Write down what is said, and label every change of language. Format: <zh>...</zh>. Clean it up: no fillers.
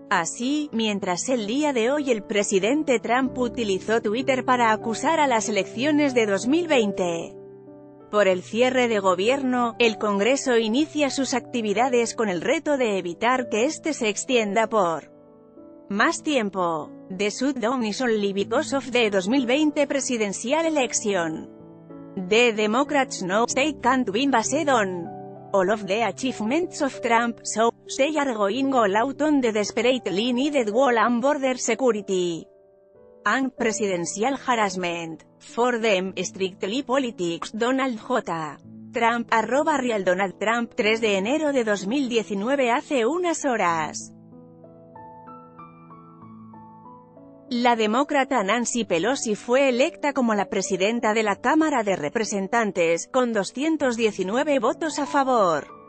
<es>Así, mientras el día de hoy el presidente Trump utilizó Twitter para acusar a las elecciones de 2020 por el cierre de gobierno, el Congreso inicia sus actividades con el reto de evitar que este se extienda por más tiempo.</es> <en>The shutdown is only because of the 2020 presidential election. The Democrats know they can't win based on all of the achievements of Trump, so they are going all out on the desperately needed wall and border security and presidential harassment. For them, strictly politics, Donald J.</en> <es>Trump, @RealDonaldTrump, 3 de enero de 2019, hace unas horas. La demócrata Nancy Pelosi fue electa como la presidenta de la Cámara de Representantes, con 219 votos a favor.</es>